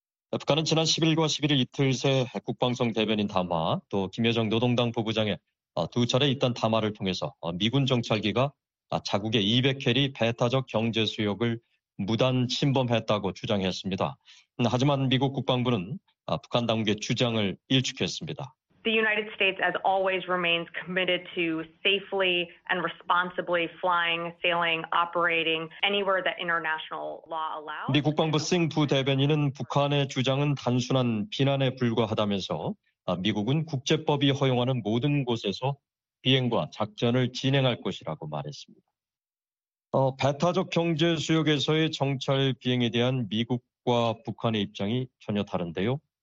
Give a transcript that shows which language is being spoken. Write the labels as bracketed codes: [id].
[ko] 북한은 지난 10일과 11일 이틀 새 국방성 대변인 담화 또 김여정 노동당 부부장의 두 차례 있던 담화를 통해서 미군 정찰기가 자국의 200해리 배타적 경제 수역을 무단 침범했다고 주장했습니다. 하지만 미국 국방부는 북한 당국의 주장을 일축했습니다. [en] The United States, as always, remains committed to safely and responsibly flying, sailing, operating anywhere that international law allows. [ko] 미 국방부 싱 부대변인은 북한의 주장은 단순한 비난에 불과하다면서 미국은 국제법이 허용하는 모든 곳에서 비행과 작전을 진행할 것이라고 말했습니다. 배타적 경제 수역에서의 정찰 비행에 대한 미국과 북한의 입장이 전혀 다른데요.